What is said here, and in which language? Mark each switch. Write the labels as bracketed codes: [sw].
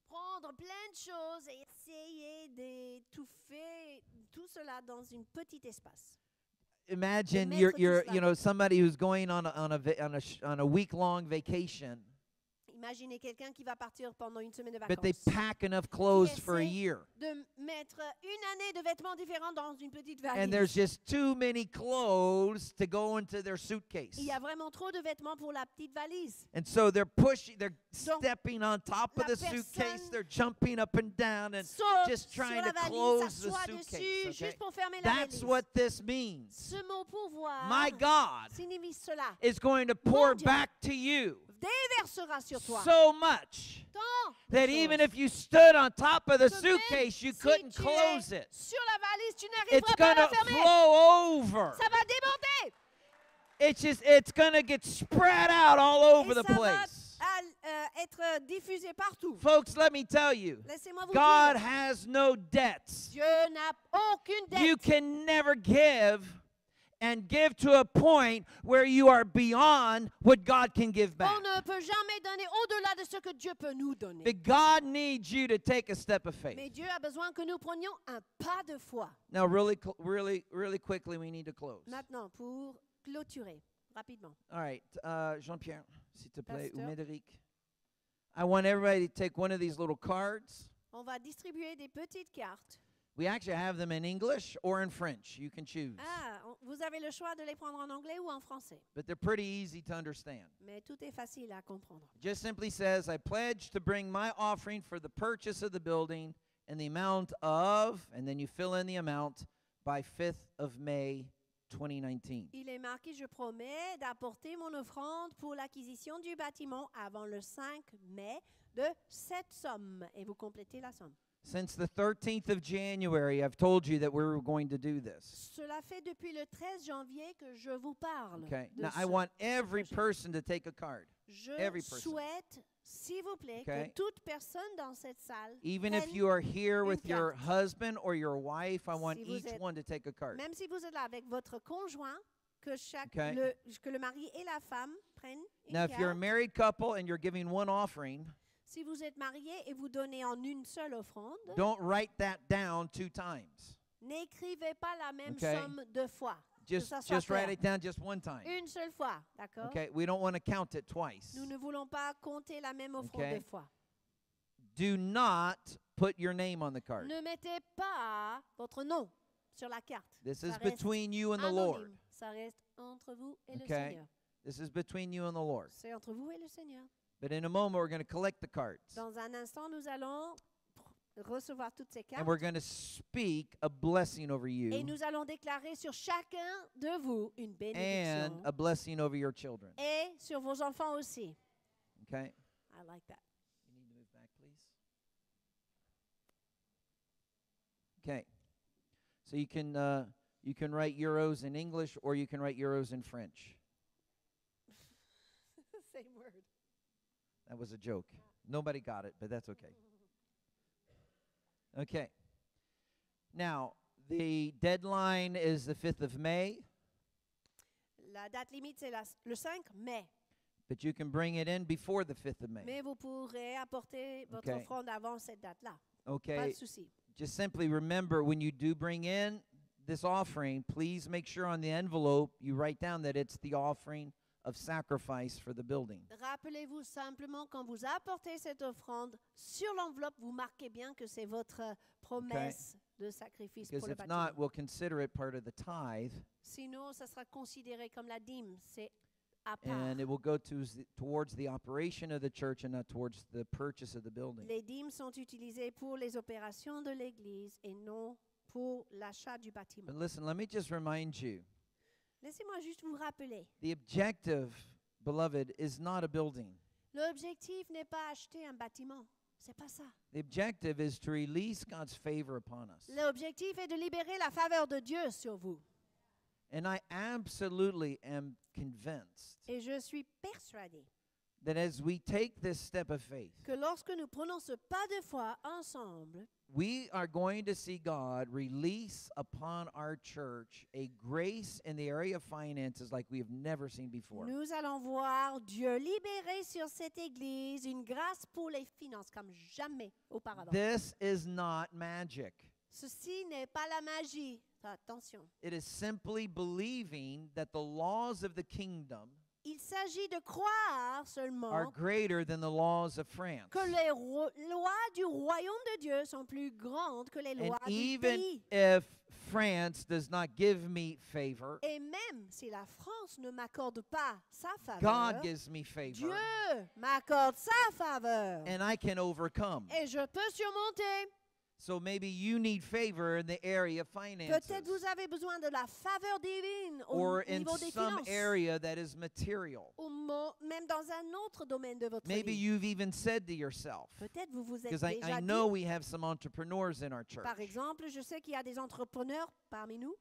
[fr] Prendre plein de choses et essayer d'étouffer tout cela dans une petite espace. [en] Imagine you're you know, somebody who's going on a week long vacation. [fr] Imaginez quelqu'un qui va partir pendant une semaine de vacances. [en] But they pack enough clothes for a year. [fr] De mettre une année de vêtements différents dans une petite valise. [en] And there's just too many clothes to go into their suitcase. [fr] Il y a vraiment trop de vêtements pour la petite valise. [en] And so they're pushing, they're stepping on top of the suitcase, they're jumping up and down and just trying to close the suitcase. [fr] Dessus, okay? Juste pour fermer la valise. [en] That's what this means. [fr] Ce mot pourvoir. [en] My God [fr] signifie cela. [en] Is going to pour back to you. [fr] Déversera sur toi. [en] So much [fr] tant [en] that even if you stood on top of the suitcase, you [fr] si [en] couldn't close it. [fr] Sur la valise, tu n'arriveras [en] it's going to flow over. [fr] Ça va déborder. [en] It's going to get spread out all over [fr] et [en] the place. [fr] Va, être diffusé partout. [en] Folks, let me tell you, [fr] laissez-moi vous [en] God [fr] dire. [en] Has no debts. [fr] Dieu n'a aucune dette. [en] You can never give. And give to a point where you are beyond what God can give back. [fr] On ne peut jamais donner au-delà de ce que Dieu peut nous donner. [en] But God needs you to take a step of faith. [fr] Mais Dieu a besoin que nous prenions un pas de foi. [en] Now, really, really, really quickly, we need to close. [fr] Maintenant, pour clôturer rapidement. [en] All right, [fr] Jean-Pierre, s'il te plaît, ou Médéric. [en] I want everybody to take one of these little cards. [fr] On va distribuer des petites cartes. [en] We actually have them in English or in French. You can choose. [fr] Ah, vous avez le choix de les prendre en anglais ou en français. [en] But they're pretty easy to understand. [fr] Mais tout est facile à comprendre. [en] Just simply says, I pledge to bring my offering for the purchase of the building in the amount of, and then you fill in the amount, by 5th of May 2019. [fr] Il est marqué, je promets d'apporter mon offrande pour l'acquisition du bâtiment avant le 5 mai de cette somme. Et vous complétez la somme. [en] Since the 13th of January, I've told you that we were going to do this. [fr] Cela fait depuis le 13 janvier que je vous parle. [en] Okay. Now I want every person to take a card. [fr] Je [en] every person. [fr] Souhaite, s'il vous plaît, okay. Que toute personne dans cette salle. [en] Even if you are here with [fr] carte. [en] Your husband or your wife, I want [fr] si [en] each [fr] êtes, [en] one to take a card. [fr] Même si vous êtes là avec votre conjoint, que chaque okay. Le que le mari et la femme prennent une [en] now [fr] carte. [en] If you're a married couple and you're giving one offering. [fr] Si vous êtes marié et vous donnez en une seule offrande, [en] don't write that down two times. [fr] N'écrivez pas la même okay. Somme deux fois. [en] Just write it down just one time. [fr] Une seule fois, d'accord? [en] Okay, we don't want to count it twice. [fr] Nous ne voulons pas compter la même offrande okay. Deux fois. [en] Do not put your name on the card. [fr] Ne mettez pas votre nom sur la carte. [en] This [fr] ça [en] is between you and the Lord. [fr] Ça reste entre vous et okay. Le Seigneur. [en] This is between you and the Lord. [fr] C'est entre vous et le Seigneur. [en] But in a moment, we're going to collect the cards. [fr] Dans un instant, nous allons recevoir toutes ces cartes. [en] And we're going to speak a blessing over you. [fr] Et nous allons déclarer sur chacun de vous une bénédiction. [en] And a blessing over your children. [fr] Et sur vos enfants aussi. Okay. [en] I like that. You need to move back, please. Okay. So you can write euros in English or you can write euros in French. Same word. That was a joke. Nobody got it, but that's okay. Okay. Now, the deadline is the 5th of May. [fr] La date limite, c'est le 5 mai. [en] But you can bring it in before the 5th of May. [fr] Mais vous pourrez apporter votre okay. Offrande avant cette date-là. Okay. Pas de souci. [en] Just simply remember, when you do bring in this offering, please make sure on the envelope you write down that it's the offering of sacrifice for the building. [fr] Rappelez-vous simplement quand vous apportez cette offrande sur l'enveloppe, vous marquez bien que c'est votre promesse de sacrifice pour le bâtiment. [en] Because if not, we'll consider it part of the tithe. [fr] Sinon, ça sera considéré comme la dîme. C'est [en] And it will go towards the operation of the church and not towards the purchase of the building. [fr] Les dîmes sont utilisées pour les opérations de l'église et non pour l'achat du bâtiment. [en] But listen, let me just remind you. [fr] Laissez-moi juste vous rappeler. [en] The objective, beloved, is not a building. [fr] L'objectif n'est pas acheter un bâtiment. C'est pas ça. [en] The objective is to release God's favor upon us. [fr] L'objectif est de libérer la faveur de Dieu sur vous. [en] And I absolutely am convinced [fr] Et je suis persuadé [en] that as we take this step of faith, [fr] que lorsque nous prenons ce pas de foi ensemble, [en] we are going to see God release upon our church a grace in the area of finances like we have never seen before. [fr] Nous allons voir Dieu libérer sur cette église une grâce pour les finances comme jamais auparavant. [en] This is not magic. [fr] Ceci n'est pas la magie. Attention. [en] It is simply believing that the laws of the kingdom [fr] Il s'agit de croire seulement [en] are greater than the laws of France. [fr] Que les lois du royaume de Dieu sont plus grandes que les lois [en] And [fr] du [en] even [fr] pays. [en] If France does not give me favor, [fr] Et même si la France ne m'accorde pas sa faveur, [en] God gives me favor. [fr] Dieu m'accorde sa faveur. [en] And I can overcome. [fr] Et je peux surmonter. [en] So maybe you need favor in the area of finances. [fr] Peut-être vous avez besoin de la faveur divine au [en] or [fr] niveau [en] in [fr] des [en] some [fr] finances. [en] Area that is material. [fr] Ou même dans un autre domaine de votre [en] maybe [fr] vie. [en] You've even said to yourself. [fr] Peut-être vous vous êtes [en] because [fr] déjà [en] I know [fr] dit, [en] we have some entrepreneurs in our church. [fr] Par exemple, je sais qu'il y a des entrepreneurs parmi nous.